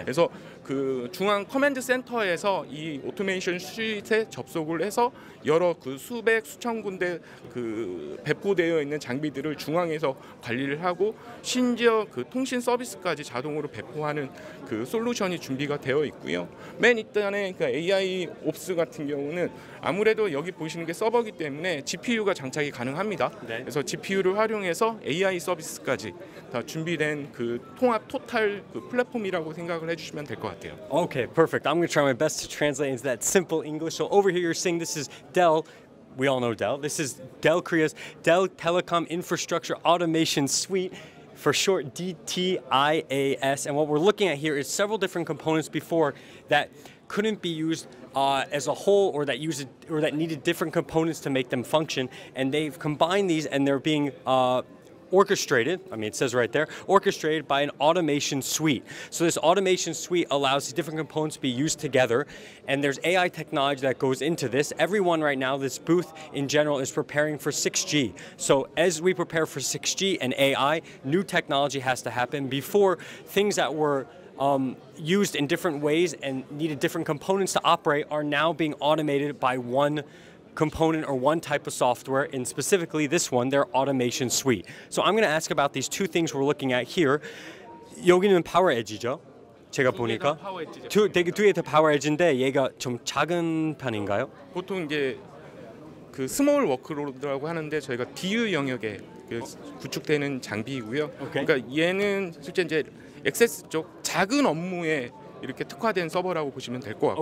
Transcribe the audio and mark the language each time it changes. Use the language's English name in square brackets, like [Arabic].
[Korean] 그래서 그 중앙 커맨드 센터에서 이 오토메이션 슈잇에 접속을 해서 여러 그 수백 수천 군데 그 배포되어 있는 장비들을 중앙에서 관리를 하고 심지어 그 통신 서비스까지 자동으로 배포하는 그 솔루션이 준비가 되어 있고요. 맨 이단에 그 AI 옵스 같은 경우는 아무래도 여기 보시는 게 서버이기 때문에 GPU가 장착이 가능합니다. 네. 그래서 GPU를 활용해서 AI 서비스까지 다 준비된 그 통합 토탈 그 플랫폼이라고 생각을 해주시면 될 것 같아요. [English] Okay, perfect. I'm going to try my best to translate into that simple English. So over here, you're saying this is Dell. We all know Dell. This is Dell Korea's Dell Telecom Infrastructure Automation Suite. For short, DTIAS. And what we're looking at here is several different components before that couldn't be used as a whole or that used or that needed different components to make them function. And they've combined these and they're being orchestrated. I mean, it says right there, orchestrated by an automation suite. So this automation suite allows the different components to be used together. And there's AI technology that goes into this. Everyone right now, this booth in general, is preparing for 6G. So as we prepare for 6G and AI, new technology has to happen before things that were used in different ways and needed different components to operate are now being automated by one component or one type of software, and specifically this one, their automation suite. So I'm going to ask about these two things we're looking at here. [Korean] 여기는 파워 에지죠? 제가 보니까 두 개 다 파워 에지인데 얘가 좀 작은 편인가요? 보통 이제 그 스몰 워크로드라고 하는데 저희가 DU 영역에 구축되는 장비이고요. [English] Okay. [Korean] 그러니까 얘는 실제 이제 액세스 쪽 작은 업무에 이렇게 특화된 서버라고 보시면 될 것 같고